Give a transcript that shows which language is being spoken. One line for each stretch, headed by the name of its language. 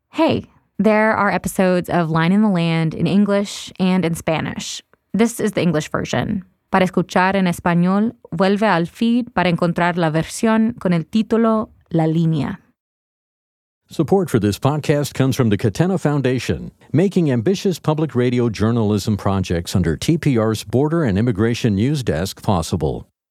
English: Hey, there are episodes of Line in the Land in English and in Spanish. This is the English version.
Spanish: Para escuchar en español, vuelve al feed para encontrar la versión con el título La Línea.
English: Support for this podcast comes from the Catena Foundation, making ambitious public radio journalism projects under TPR's Border and Immigration News Desk possible.